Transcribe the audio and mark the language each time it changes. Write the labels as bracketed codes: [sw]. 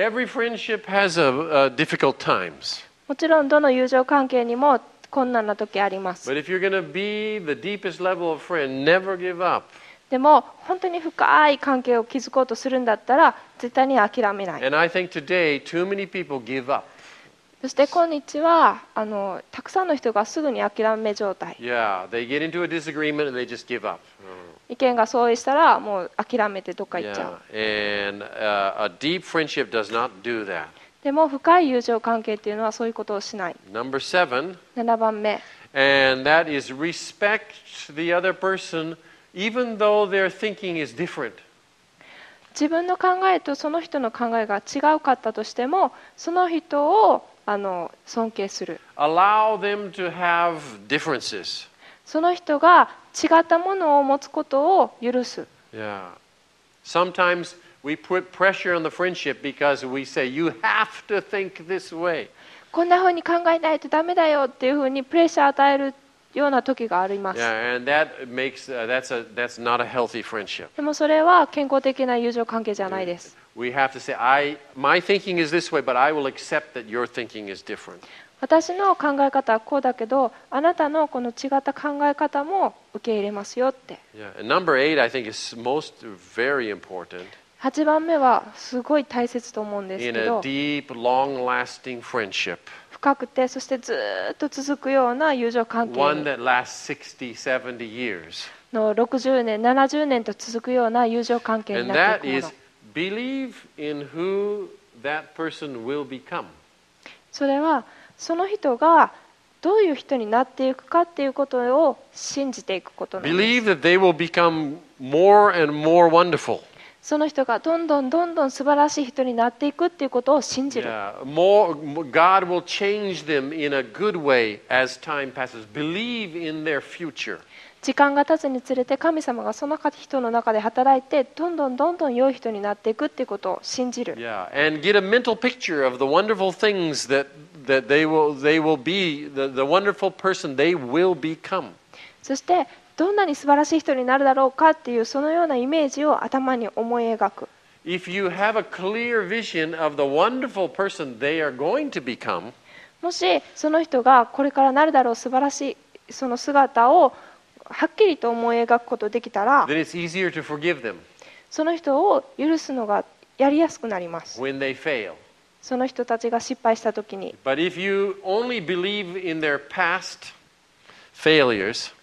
[en] Every friendship has a difficult times. [ja] もちろんどの友情関係にも困難な時あります。 [en] But if you're going to be the deepest level of friend, never give up. [ja] でも本当に深い関係を築こうとするんだったら絶対に諦めない。 [en] And I think today, too many people give up. [ja] そして今日はたくさんの人がすぐに諦め状態。 [en] Yeah, they get into a disagreement and they just give up. [ja] 意見が相違したらもう諦めてどっか行っちゃう。 [en] Yeah, and a deep friendship does not do that. [ja] でも深い友情関係っていうのはそういうことをしない。 [en] Number seven. [ja] 7番目。 [en] And that is respect the other person. Even though their thinking is different. [ja] 自分の考えとその人の考えが違うかったとしても、その人を尊敬する。 [en] Allow them to have differences. [ja] その人が違ったものを持つことを許す。 [en] Yeah. Sometimes we put pressure on the friendship because we say, you have to think this way. [ja] こんなふうに考えないとダメだよっていうふうにプレッシャー与えるような時があります。 [en] Yeah, and that makes, that's not a healthy friendship. [ja] でもそれは健康的な友情関係じゃないです。 [en] We have to say, my thinking is this way, but I will accept that your thinking is different. [ja] 私の考え方はこうだけど、あなたのこの違った考え方も受け入れますよって。 [en] Yeah, and number eight, I think, is most very important. [ja] 8番目はすごい大切と思うんですけど。 [en] In a deep, long-lasting friendship. [ja] 深深くて、そしてずっと続くような友情関係。 [en] One that lasts 60, 70 years. [ja] の60年、70年と続くような友情関係になっていくもの。 [en] And that is believe in who that person will become. [ja] それはその人がどういう人になっていくかっていうことを信じていくことなんです。 [en] Believe that they will become more and more wonderful. [ja] その人がどんどんどんどん素晴らしい人になっていくっていうことを信じる。 [en] Yeah, more, God will change them in a good way as time passes. Believe in their future. [ja] 時間が経つにつれて神様がその人の中で働いてどんどんどんどん良い人になっていくっていうことを信じる。 [en] Yeah, and get a mental picture of the wonderful things that they will be, the wonderful person they will become. [ja] そしてどんなに素晴らしい人になるだろうかっていうそのようなイメージを頭に思い描く。 [en] If you have a clear vision of the wonderful person they are going to become, [ja] もしその人がこれからなるだろう素晴らしいその姿をはっきりと思い描くことができたら、 [en] then it's easier to forgive them. [ja] その人を許すのがやりやすくなります。 [en] When they fail. [ja] その人たちが失敗したときに。 [en] But if you only believe in their past failures,